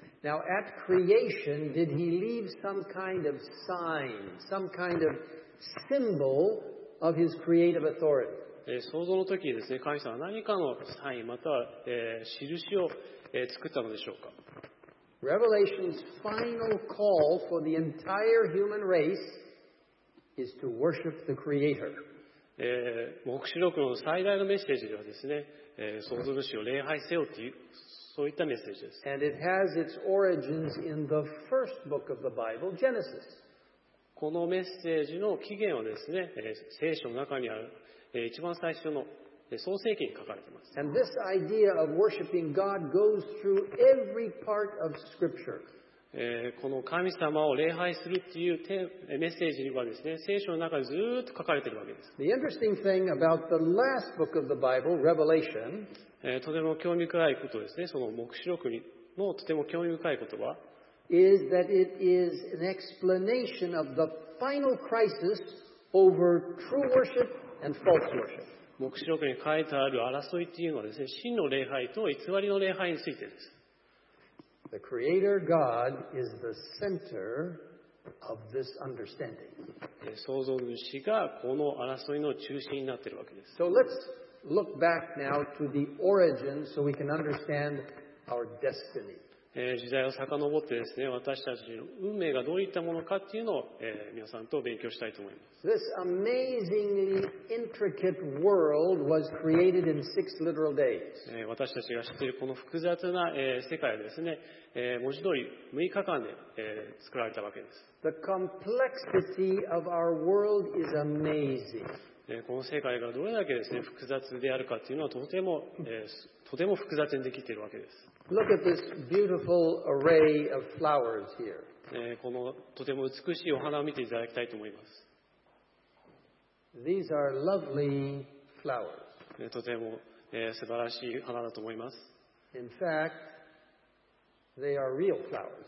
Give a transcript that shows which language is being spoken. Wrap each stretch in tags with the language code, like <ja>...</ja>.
<en>Now, at creation, did He leave some kind of sign, some kind ofSymbol of His creative authority.</en> <ja>創造の時にですね、神様は何かのサインまたは、印を、作ったのでしょうか。</ja> <en>Revelation's final call for the entire human race is to worship the Creator.</en> <ja>黙示録の最大のメッセージではですね、創造主を礼拝せよというそういったメッセージです。</ja> <en>And it has its origins in the first book of the Bible, Genesis.</en> <ja>このメッセージの起源はですね、聖書の中にある一番最初の創世記に書かれています。</ja> <en>And this idea of worshiping God goes through every part of Scripture.</en> <ja>この神様を礼拝するっていうメッセージはですね、聖書の中でずっと書かれているわけです。</ja> <en>The interesting thing about the last book of the Bible, Revelation,</en> <ja>とても興味深いことですね、その黙示録のとても興味深いことは、</ja> <en>is that it is an explanation of the final crisis over true worship and false worship.</en> <ja>黙示録に書いてある争いというのはですね、真の礼拝と偽りの礼拝についてです。</ja> <en>The Creator God is the center of this understanding.</en> <ja>創造主がこの争いの中心になっているわけです。</ja> <en>So let's look back now to the origin so we can understand our destiny.</en> <ja>時代を遡ってですね、私たちの運命がどういったものかっていうのを、皆さんと勉強したいと思います。</ja> <en>This amazingly intricate world was created in six literal days.</en> <ja>私たちが知っているこの複雑な、世界はですね、文字通り6日間で、作られたわけです。</ja> <en>The complexity of our world is amazing.</en> <ja>この世界がどれだけですね、複雑であるかっていうのはとても複雑にできているわけです。</ja> <en>Look at this beautiful array of flowers here.</en> <ja>このとても美しいお花を見ていただきたいと思います。</ja> <en>These are lovely flowers.</en> <ja>とても、素晴らしい花だと思います。</ja> <en>In fact, they are real flowers.</en>